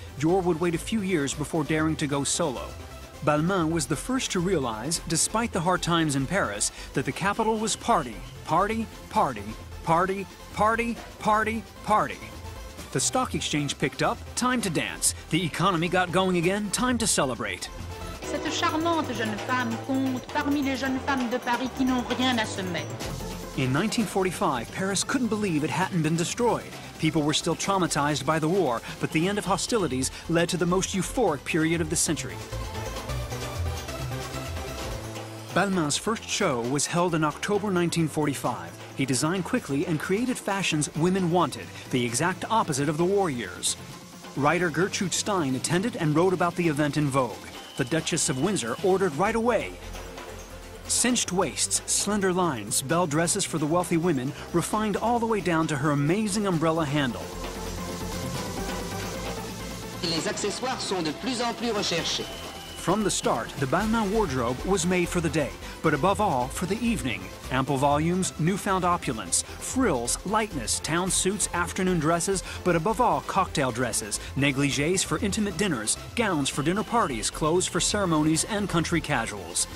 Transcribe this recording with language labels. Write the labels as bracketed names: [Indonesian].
[English] Dior would wait a few years before daring to go solo. Balmain was the first to realize, despite the hard times in Paris, that the capital was party, party, party, party, party, party, party. The stock exchange picked up, time to dance. The economy got going again, time to celebrate. [French] Cette charmante jeune femme compte parmi les jeunes femmes de Paris qui n'ont rien à se mettre. [English] In 1945, Paris couldn't believe it hadn't been destroyed. People were still traumatized by the war, but the end of hostilities led to the most euphoric period of the century. Balmain's first show was held in October 1945. He designed quickly and created fashions women wanted, the exact opposite of the war years. Writer Gertrude Stein attended and wrote about the event in Vogue. The Duchess of Windsor ordered right away. Cinched waists, slender lines, bell dresses for the wealthy women, refined all the way down to her amazing umbrella handle. [French] Les accessoires sont de plus en plus recherchés. [English] From the start, the Balmain wardrobe was made for the day, but above all, for the evening. Ample volumes, newfound opulence, frills, lightness, town suits, afternoon dresses, but above all, cocktail dresses, negligees for intimate dinners, gowns for dinner parties, clothes for ceremonies and country casuals.